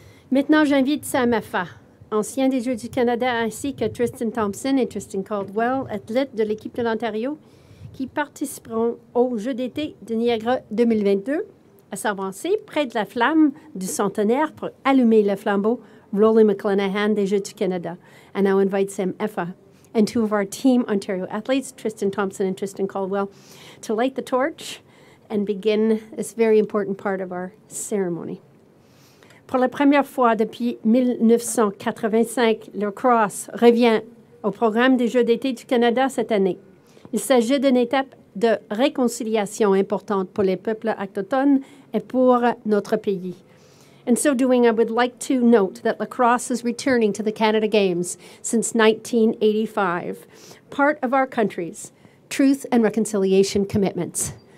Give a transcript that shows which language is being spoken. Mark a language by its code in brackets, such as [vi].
[fr] Maintenant, j'invite Sam Affa, ancien des Jeux du Canada, ainsi que Tristan Thompson et Tristan Caldwell, athlètes de l'équipe de l'Ontario, qui participeront aux Jeux d'été de Niagara 2022 à s'avancer près de la flamme du centenaire pour allumer le flambeau Roly McLenahan des Jeux du Canada. [en] And I'll invite Sam Affa and two of our team Ontario athletes, Tristan Thompson and Tristan Caldwell, to light the torch and begin this very important part of our ceremony. [fr] Pour la première fois depuis 1985, le cross revient au programme des Jeux d'été du Canada cette année. Il s'agit d'une étape de réconciliation importante pour les peuples autochtones et pour notre pays. [en] In so doing, I would like to note that lacrosse is returning to the Canada Games since 1985, part of our country's truth and reconciliation commitments.